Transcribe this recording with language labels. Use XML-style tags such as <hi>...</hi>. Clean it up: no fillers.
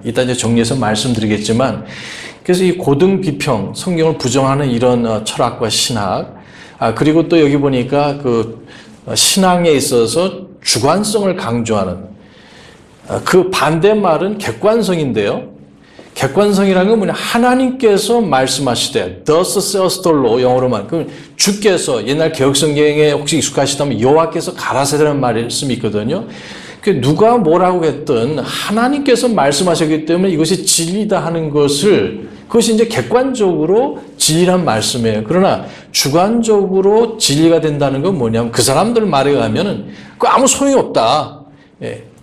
<ko>이따 이제 정리해서 말씀드리겠지만 그래서 이 고등 비평, 성경을 부정하는 이런 철학과 신학, 그리고 또 여기 보니까 그 신앙에 있어서 주관성을 강조하는 그 반대말은 객관성인데요. 객관성이라는 건 뭐냐? 하나님께서 말씀하시되,</ko> <en>Thus says the Lord,</en> <ko>영어로만. 그럼 주께서, 옛날 개혁성경에 혹시 익숙하시다면 여호와께서 가라사대라는 말씀이 있거든요. 누가 뭐라고 했든 하나님께서 말씀하셨기 때문에 이것이 진리다 하는 것을 그것이 이제 객관적으로 진리란 말씀이에요. 그러나 주관적으로 진리가 된다는 건 뭐냐면 그 사람들 말에 의하면은 그 아무 소용이 없다. 예.</ko>